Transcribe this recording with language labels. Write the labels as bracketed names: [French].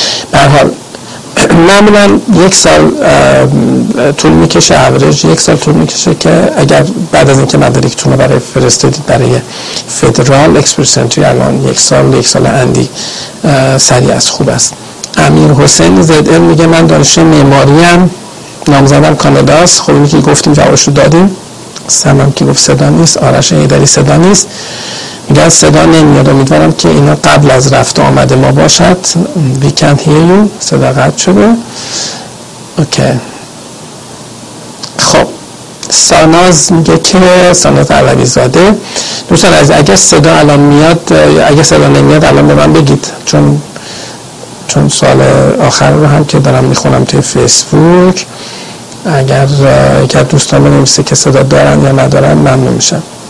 [Persian] به هر حال معمولا یک سال طول میکشه، اوریج یک سال طول میکشه که اگر بعد از اینکه مدارکتون رو برای فرستادید برای فدرال اکسپرس انتری، الان یک سال اندی سریع است، خوب است. امیر حسین زد ام میگه من دانشجو معماری ام، نامزدم کانادا است. خب اینکه گفتیم جوابشو دادیم، سمم که گفت صدا نیست، آرش ایدری صدا نیست، میگن صدا نمیاد، امیدوارم که اینا قبل از رفت آمد ما باشد. [English] We can't hear you، [Persian] صدا قطع شده. اوکی خب ساناز میگه که ساناز علوی زاده، دوستان از اگر صدا الان میاد، اگر صدا نمیاد الان به من بگید، چون سال آخر رو هم که دارم میخونم توی فیسبوک، اگر یکی از دوستان بنویسه که صدا دارن یا ندارن ممنون میشم.